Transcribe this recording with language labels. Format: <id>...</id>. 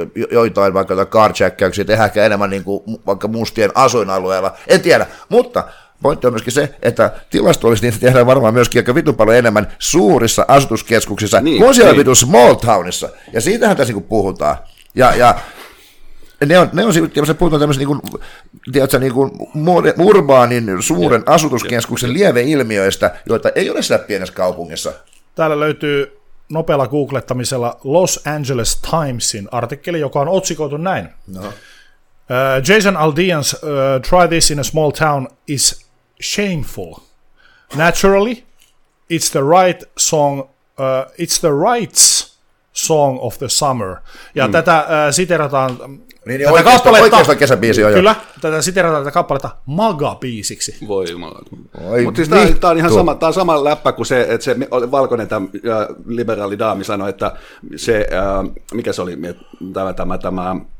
<fi>joitain vaikka jotain carjackkäyksiä tehdään enemmän niin kuin vaikka mustien asuinalueella, en tiedä, mutta pointti on myöskin se, että tilastollisesti niitä tehdään varmaan myöskin aika vitun paljon enemmän suurissa asutuskeskuksissa niin, kuin siellä vitun small townissa, ja siitähän tässä niin kuin puhutaan, ja ne on tietysti puhutaan tämmöisessä niin kuin, tiedätkö, niin kuin urbaanin suuren asutuskeskuksen lieveilmiöistä, joita ei ole siellä pienessä kaupungissa. Täällä löytyy nopealla googlettamisella Los Angeles Timesin artikkeli, joka on otsikoitu näin. No.</fi> <en>Jason Aldean's Try This in a Small Town is Shameful. Naturally, it's the right song, it's the rights song of the summer.</en> <fi>Ja tätä siterataan niin tätä kappaletta, oikeastaan kesäbiisi on jo. Kyllä, tätä siterataan tätä kappaletta MAGA-biisiksi. Voi jumala. Mutta siis tämä on ihan sama läppä kuin se, että se valkoinen tämä liberaali daami sanoi, että se, mikä se oli, tämä</fi>